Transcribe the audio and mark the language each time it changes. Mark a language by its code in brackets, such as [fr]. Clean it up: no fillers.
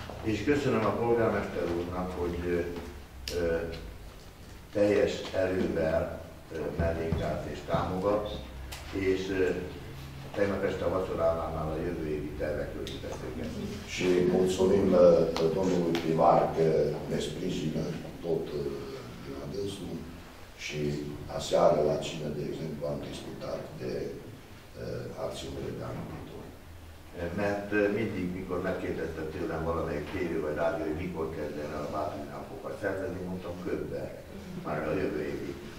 [hu] És köszönöm a polgármester úrnak, hogy teljes erővel mellénk állt és támogat, és tegnap este a vacsoránál a jövő évi tervekről is beszélgetni. [ro] Și mulțumim domnului primar că ne sprijină tot la dânsul și aseară la cine, de exemplu, am discutat de acțiunile de anul viitor. [hu] Mert mindig, mikor megkérdezte tőlem valamelyik tévé vagy rádió, hogy mikor kezdene a Bátori Napokat szervezni, mondtam köbbe, már a jövő évi.